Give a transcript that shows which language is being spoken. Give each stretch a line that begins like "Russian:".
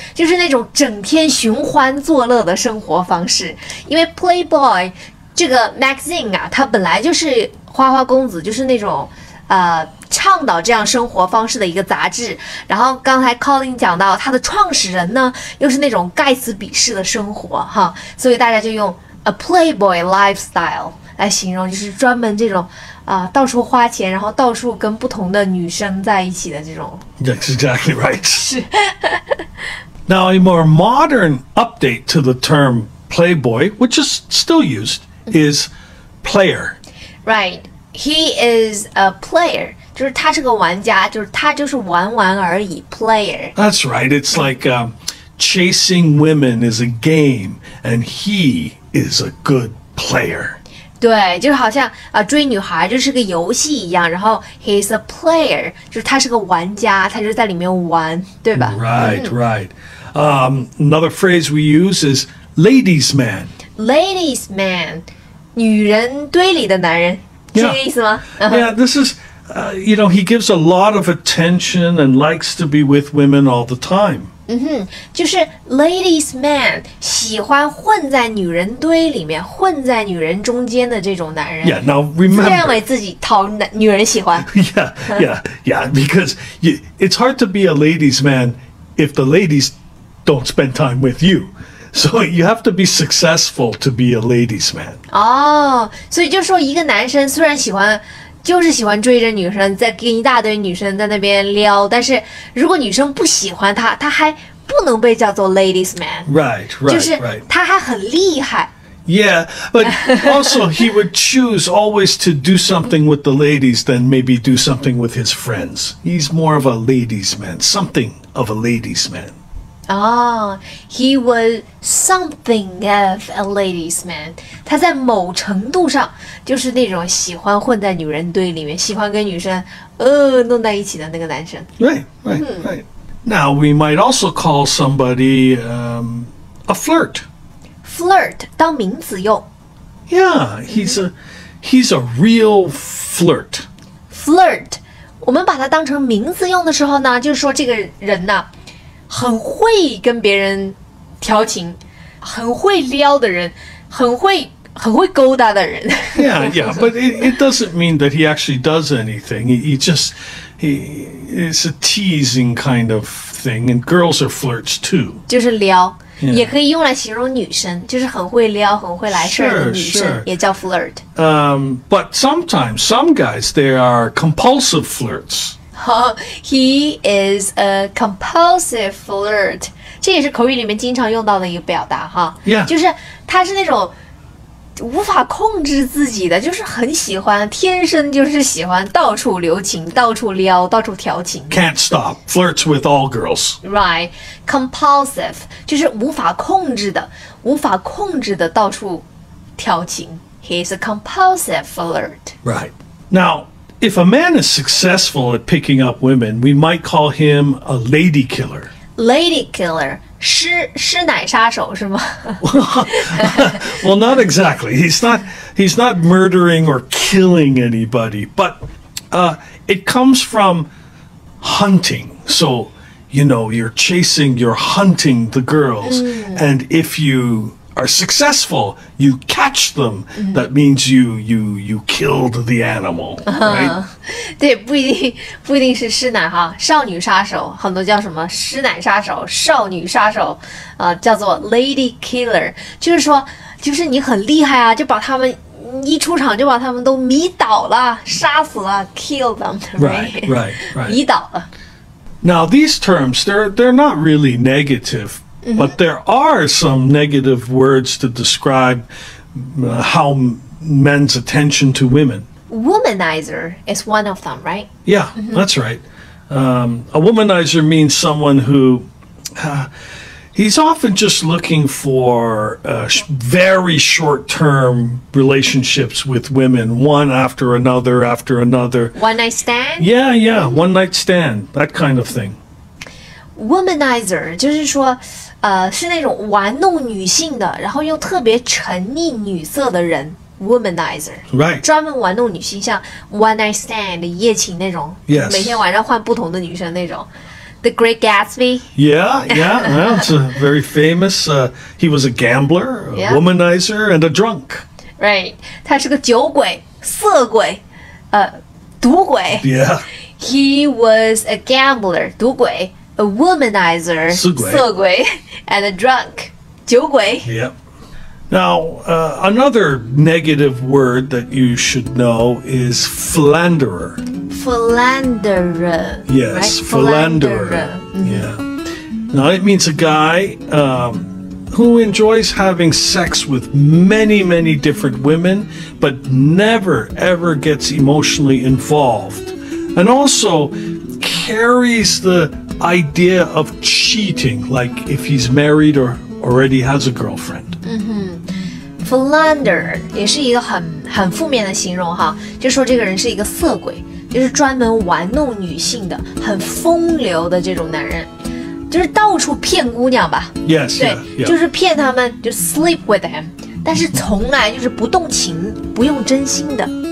Chinese: 就是那种整天寻欢作乐的生活方式因为 playboy 这个 magazine 啊它本来就是花花公子就是那种倡导这样生活方式的一个杂志然后刚才 Colin 讲到他的创始人呢又是那种盖茨比式的生活哈所以大家就用
English: a playboy lifestyle
Chinese: 来形容就是专门这种到处花钱然后到处跟不同的女生在一起的这种
English: That's exactly right
Chinese: 是
English: Now a more modern update to the term playboy which is still used is player Right, he is a player,
Chinese: 就是他是个玩家就是他就是玩玩而已 player.
English: That's right, it's like chasing women is a game, and he is a good player.
Chinese: 对就好像、追女孩就是个游戏一样然后
English: he's a player,
Chinese: 就是他是个玩家他就在里面玩对吧
English: Right, right.、another phrase we use is ladies man.
Chinese: Ladies man. 女人堆里的男人
English: yeah.
Chinese: 是这个意思吗、 uh-huh.
English: Yeah, this is,、you know, he gives a lot of attention and likes to be with women all the time.
Chinese: 嗯哼，就是 ladies man, 喜欢混在女人堆里面，混在女人中间的这种男人。
English: Yeah, now remember.
Chinese: 认为自己讨女人喜欢。
English: Yeah, yeah, yeah, because it's hard to be a ladies man if the ladies don't spend time with you. So you have to be successful to be a ladies man.
Chinese: Oh, 所以就说一个男生虽然喜欢，就是喜欢追着女生，在跟一大堆女生在那边撩，但是如果女生不喜欢他，他还不能被叫做 ladies man.
English: Right, right, right.
Chinese: 就是他还很厉害。
English: Yeah, but also he would choose always to do something with the ladies than maybe do something with his friends. He's more of a ladies man, something of a ladies man. Oh, he was something of a ladies' man.
Chinese: 他在某程度上就是那种喜欢混在女人堆里面，喜欢跟女生弄在一起的那个男生。
English: Right. Now, we might also call somebody a flirt.
Chinese: Flirt, 当名词用。
English: Yeah, he's a real flirt.
Chinese: Flirt, 我们把它当成名词用的时候呢，就是说这个人呢很会跟别人调情，很会撩的人，很会勾搭的人。
English: Yeah, yeah, but it doesn't mean that he actually does anything. He is a teasing kind of thing, and girls are flirts too.
Chinese: 就是撩、yeah. 也可以用来形容女生，就是很会撩，很会来事的女生
English: sure.
Chinese: 也叫 flirt.
English: But sometimes, some guys, they are compulsive flirts. He is a compulsive flirt.
Chinese: 这也是口语里面经常用到的一个表达哈。
English: Yeah.
Chinese: 就是他是那种无法控制自己的，就是很喜欢，天生就是喜欢到处留情，到处撩，到处调情。
English: Can't stop. Flirts with all girls. Right. Compulsive.
Chinese: 就是无法控制的，无法控制的到处调情。
English: He is a compulsive flirt. Right. Now,If a man is successful at picking up women, we might call him a lady killer.
Chinese: Lady killer, 施奶杀手是吗？
English: Well, not exactly. He's not murdering or killing anybody, but it comes from hunting. So, you know, you're chasing, you're hunting the girls, and if you... are successful, you catch them, that means you killed the animal, right?
Chinese: 对，不一定是施奶哈，少女杀手，很多叫什么施奶杀手、少女杀手，叫做 lady killer, 就是说，就是你很厉害啊，就把他们一出场就把他们都迷倒了，杀死了 ,
English: kill them, right?
Chinese: 迷倒了。
English: Now these terms, they're not really negative,But there are some negative words to describe how men's attention to women. Womanizer is one of them, right? Yeah, that's right. A womanizer means someone who... he's often just looking for very short-term relationships with women, one after another, after another. One-night stand? Yeah, yeah, one-night stand, that kind of thing.
Chinese: Womanizer, 就是说是那种玩弄女性的，然后又特别沉溺女色的人 ，womanizer，
English: right，
Chinese: 专门玩弄女性，像 one night stand 夜情那种，
English: yes，
Chinese: 每天晚上换不同的女生那种 ，The Great Gatsby，
English: yeah， yeah， that's a very famous， he was a gambler， a womanizer， and a drunk，
Chinese: right， 他是个酒鬼、色鬼、赌鬼，
English: yeah， he was a gambler，
Chinese: 赌鬼。
English: A womanizer,
Chinese: 色鬼
English: and a drunk,
Chinese: 酒鬼
English: Yep. Now, another negative word that you should know is philanderer. Philanderer. Yes,、 right? philanderer. Yeah. Now, it means a guy who enjoys having sex with many, many different women, but never, ever gets emotionally involved. And also carries the... idea of cheating, like if he's married or already has a girlfriend.
Chinese: Philander 也是一个很负面的形容哈，就说这个人是一个色鬼，就是专门玩弄女性的，很风流的这种男人，就是到处骗姑娘吧。
English: Yes,
Chinese: 对，
English: yeah, yeah.
Chinese: 就是骗他们，就
English: sleep with him，
Chinese: 但是从来就是不动情，不用真心的。